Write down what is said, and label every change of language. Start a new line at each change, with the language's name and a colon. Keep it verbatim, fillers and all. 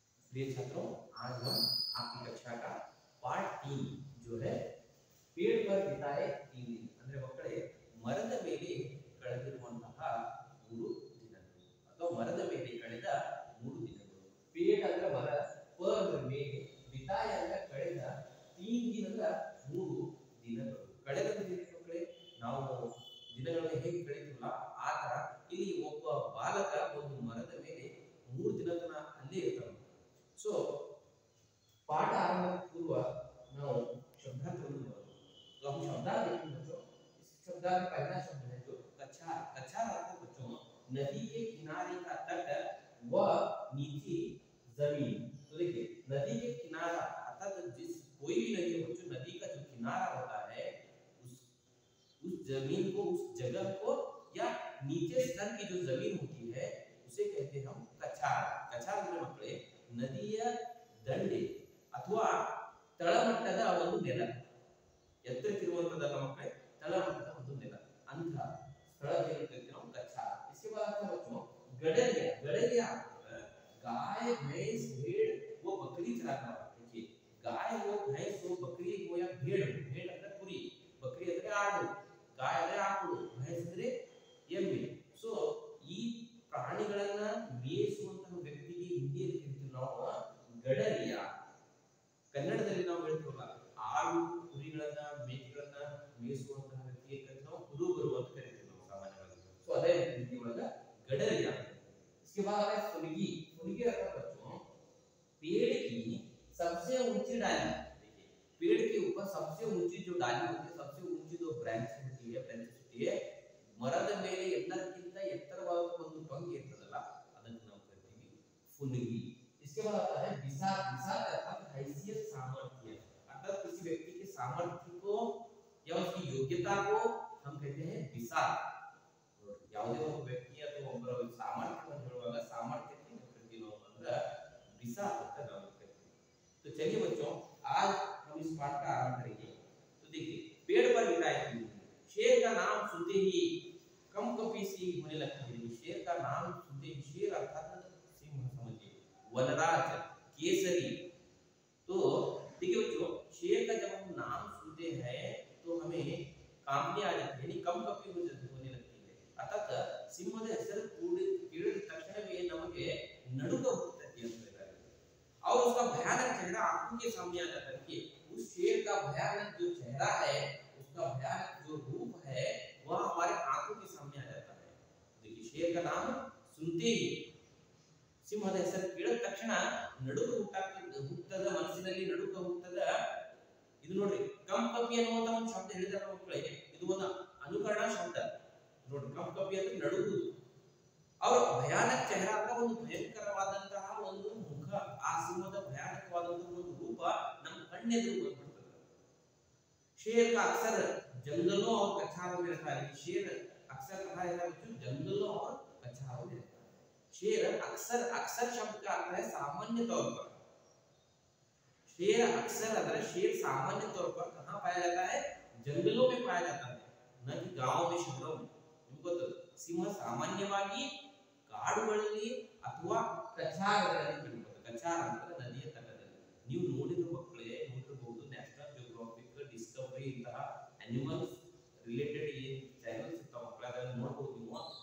Hindi: प्रिय छात्रों, आज हम आपकी कक्षा का पार्ट तीन जो है पेड़ पर बिताए तीन दिन
Kannada: ಅಂದ್ರೆ ಮಕ್ಕಳೇ ಮರದ ಮೇಲೆ ಕಳೆದಿರುವಂತಹ ಮೂರು ದಿನಗಳು
Hindi: ಅಥವಾ ಮರದ ಮೇಲೆ ಕಳೆದ ಮೂರು ದಿನಗಳು.
Kannada: ಪೇಡ್ ಅಂದ್ರೆ ಮರ, ಪ ಅಂದ್ರೆ ಮೇಲೆ, ಬಿತಾಯ ಅಂದ್ರೆ ಕಳೆದ, ತೀನ್ ದಿನದ ಮೂರು ದಿನಗಳು. ಕಳೆದ ಮಕ್ಕಳೇ ನಾವು ದಿನಗಳನ್ನು ಹೇಗೆ ಕಳೆದಿಲ್ಲ ಆ ತರ ಇಲ್ಲಿ ಒಬ್ಬ ಬಾಲಕ ಒಂದು ಮರದ ಮೇಲೆ ಮೂರು ದಿನ ತನಕ ಅಲ್ಲೇ ಇರ್ತಾನೆ. ಸೊ ಪಾಠ ಆರಂಭಕ್ಕೆ ಪೂರ್ವ ನಾವು शब्दार्थವನ್ನು ನೋಡೋಣ.
Hindi: तो हम शब्दार्थ देखें बच्चों, इस शब्दार्थ का पहला शब्द है जो कछार. कछार आपको बच्चों नदी के किनारे का तट व नीची जमीन. तो देखिए नदी के किनारा अर्थात जिस कोई भी नदी बच्चों नदी का जो किनारा होता है उस उस जमीन को उस जगह को या नीचे स्तर की जो जमीन होती है उसे कहते हैं हम कछार. कछार में मकड़े
Kannada: ನದಿಯ ದಂಡೆ ಅಥವಾ ತಳಮಟ್ಟದ ಒಂದು ನೆಲ, ಎತ್ತರಕ್ಕಿರುವಂತದಲ್ಲ ಮಕ್ಕಳೇ, ತಳಮಟ್ಟದ ಒಂದು ನೆಲ ಅಂತ ಸ್ಥಳದಲ್ಲಿ ನಾವು ಕಚ್ಚಾರ.
Hindi: इसके बाद बच्चों गडरिया, गडरिया गाय भैंस भेड़ वो बकरी चराता है. देखिए गाय हो भैंस हो बकरी हो या भेड़ हो, भेड़
Kannada: ಅಂದ್ರೆ ಕುರಿ,
Hindi: बकरी
Kannada: ಅಂದ್ರೆ ಆಡು,
Hindi: गाय
Kannada: ಅಂದ್ರೆ ಆಕಳು,
Hindi: भैंस
Kannada: ಅಂದ್ರೆ ಎಮ್ಮೆ. सो ಈ ಪ್ರಾಣಿಗಳನ್ನ ಮೇಯಿಸುವಂತಹ ವ್ಯಕ್ತಿಗೆ ಹಿಂದಿಯಲ್ಲಿ ನಾವು ಗಡರಿಯ, ಕನ್ನಡದಲ್ಲಿ ನಾವು ಹೇಳ್ತೀವಲ್ಲ ಆಡು ಕುರಿಗಳನ್ನ ಮೇಕೆಗಳನ್ನ ಮೇಯಿಸುವಂತಹ ವ್ಯಕ್ತಿಗೆ ನಾವು ಕುರುಬರು ಅಂತ ಕರಿತೀವಿ ನಾವು ಸಾಮಾನ್ಯವಾಗಿ. ಸೊ ಅದೇ ರೀತಿ ಒಳಗ ಗಡರಿಯ.
Hindi: इसके बाद है फुलगी. फुलगी का बच्चों पेड़ की सबसे ऊंची डाली. देखिए पेड़ के ऊपर सबसे ऊंची जो डाली होती है, सबसे ऊंची जो ब्रांच होती है, ब्रांच होती है
Kannada: ಮರದ ಮೇಲೆ ಎಲ್ಲಕ್ಕಿಂತ ಎತ್ತರವಾದ ಒಂದು ಪಂಕ್ತಿ ಇರ್ತದಲ್ಲ ಅದನ್ನ ನಾವು ಕರಿತೀವಿ ಫುಲಗಿ.
Hindi: इसके बाद आता है विसात. विसात अर्थात हैसियत, सामर्थ्य, अर्थात किसी व्यक्ति के सामर्थ्य को या उसकी योग्यता को हम कहते हैं विसात. और
Kannada: ಯಾವುದೇ ಒಬ್ಬ ವ್ಯಕ್ತಿಯ ಅಥವಾ ಒಬ್ಬರ ಸಾಮರ್ಥ್ಯವನ್ನು ಹೇಳುವಾಗ ಸಾಮರ್ಥ್ಯಕ್ಕೆ ನಾವು ಕರಿತೀವಿ ಅಂದ್ರೆ विसात ಅಂತ ನಾವು ಕರಿತೀವಿ.
Hindi: तो चलिए बच्चों आज हम इस पाठ का आरंभ करेंगे. तो देखिए पेड़ पर बिताए तीन दिन. शेर का नाम सुनते ही कंपकंपी सी होने लगती है. शेर का नाम सुनते ही, शेर अर्थात सिंह समझिए, वनराज, केसरी. तो देखिए बच्चों शेर का जब हम नाम सुनते हैं तो हमें कांपने आ जाती है, यानी कंपकंपी होने लगती है.
Kannada: अर्थात ಸಿಂಹದ ಹೆಸರು ಕೇಳಿದ ತಕ್ಷಣವೇ ನಮಗೆ ನಡುಕ ಹುಟ್ಟುತ್ತದೆ ಅಂತ ಹೇಳ್ತಾರೆ.
Hindi: और उसका भयानक चेहरा आंखों के सामने आ जाता है. कि उस शेर का भयानक जो चेहरा है, उसका भयानक जो रूप है, वह हमारे आंखों के सामने आ जाता है. देखिए शेर का नाम सुनते ही
Kannada: ಸಿಂಹದ ಹೆಸರು ಕೇಳಿದ ತಕ್ಷಣ ನಡುಕ ಹುಟ್ಟಾಗ್ತದೆ, ಹುಟ್ಟದ ಮನಸ್ಸಿನಲ್ಲಿ ನಡುಕ ಹುಟ್ಟದ. ಇದು ನೋಡ್ರಿ ಕಂಪಕಂಪಿ ಅನ್ನುವಂತ ಒಂದು ಶಬ್ದ ಹೇಳಿದ ಮಕ್ಕಳಿಗೆ ಇದು ಒಂದು ಅನುಕರಣ ಶಬ್ದ ನೋಡ್ರಿ. ಕಂಪಕಂಪಿ ಅಂದ್ರೆ ನಡುಗುದು. ಅವರ ಭಯಾನಕ ಚೆಹರ ಅಂದ್ರೆ ಒಂದು ಭಯಂಕರವಾದಂತಹ ಒಂದು ಮುಖ. ಆ ಸಿಂಹದ ಭಯಾನಕವಾದಂತಹ ಒಂದು ರೂಪ ನಮ್ಮ ಕಣ್ಣೆದುರು ಬಂದ್ಬಿಡ್ತದೆ.
Hindi: शेर का अक्सर जंगलों और कछारों में रहता है. शेर अक्सर कहा जाता है बच्चों जंगलों और कछारों में रहता है. शेर अक्सर, अक्सर शब्द का अर्थ है सामान्य तौर पर. शेर अक्सर अगर शेर सामान्य तौर पर कहां पाया जाता है? जंगलों में पाया जाता है, न कि गांव में शहरों में. इनको तो
Kannada: ಸಿಂಹ ಸಾಮಾನ್ಯವಾಗಿ ಕಾಡುಗಳಲ್ಲಿ ಅಥವಾ ಕಛಾರಗಳಲ್ಲಿ ಕಂಡುಬರುತ್ತೆ. ಕಛಾರ ಅಂದ್ರೆ ನದಿಯ ತಟದಲ್ಲಿ. ನೀವು ನೋಡಿರೋ ಮಕ್ಕಳೇ ನೋಡಿರಬಹುದು ನ್ಯಾಷನಲ್ ಜಿಯೋಗ್ರಾಫಿಕ್ ಡಿಸ್ಕವರಿ ಇಂತಹ ಅನಿಮಲ್ಸ್ ರಿಲೇಟೆಡ್ ಏನ್ ಚಾನಲ್ಸ್ ಇರ್ತಾವ ಮಕ್ಕಳು ಅದನ್ನ ನೋಡ್ಬೋದು ನೀವು.